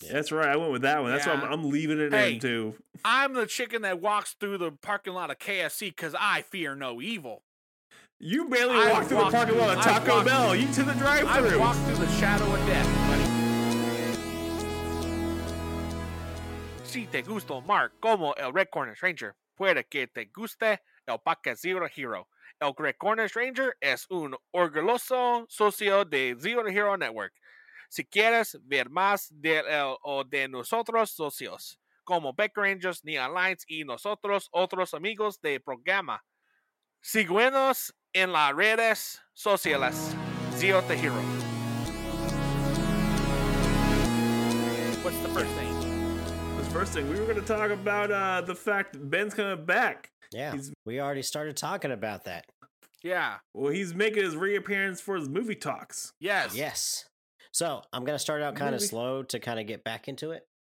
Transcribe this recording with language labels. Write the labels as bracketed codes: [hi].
[en] Yeah, that's right. I went with that one. That's why I'm leaving it in too. I'm the chicken that walks through the parking lot of KFC because I fear no evil. You barely walked through the parking lot of Taco Bell. You to the drive-thru. I walked through the shadow of death, buddy. [es] Si te gusto Mark como el Red Cornish Ranger, puede que te guste el paquete Zero Hero. El Red Cornish Ranger es un orgulloso socio de Zero Hero Network. Si quieres ver más de él o de nosotros socios, como Back Rangers, Neon Lights y nosotros otros amigos de programa, síguenos en las redes sociales Zero Hero. [en] What's the first name? First thing, we were going to talk about the fact that Ben's coming back. Yeah, we already started talking about that. Yeah. Well, he's making his reappearance for his movie talks. Yes. Yes. So, I'm going to start out kind of slow to kind of get back into it.